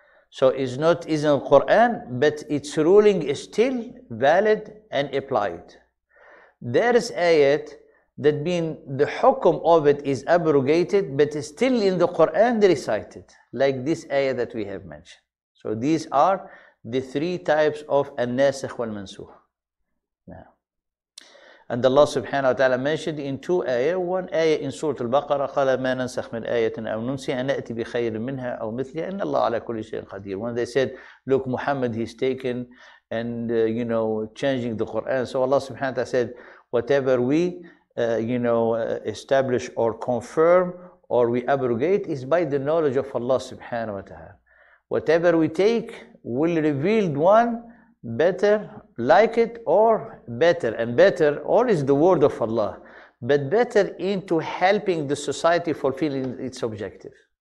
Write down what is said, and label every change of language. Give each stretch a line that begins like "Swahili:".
English: So it's not in the Quran, but its ruling is still valid and applied. There is ayat that been the hukum of it is abrogated, but is still in the Quran recited, like this ayat that we have mentioned. So these are the three types of an-nasikh wal-mansukh. And Allah subhanahu wa ta'ala mentioned in two ayah, one ayah in Surah Al-Baqarah,
Arabic: قَالَ مَا نَنْسَخْ مِنْ آيَةٍ أَوْ نُنْسِي أَنَأْتِ بِخَيْرٍ مِنْهَا أَوْ مِثْلِهَا إِنَّ اللَّهَ عَلَى كُلِّ شَيْءٍ قَدِيرٍ.
English: When they said, look, Muhammad, he's taken and, you know, changing the Quran. So Allah subhanahu wa ta'ala said, whatever we, you know, establish or confirm or we abrogate is by the knowledge of Allah subhanahu wa ta'ala. Whatever we take will reveal one better, like it, or better, and better, all is the word of Allah, but better into helping the society fulfilling its objective.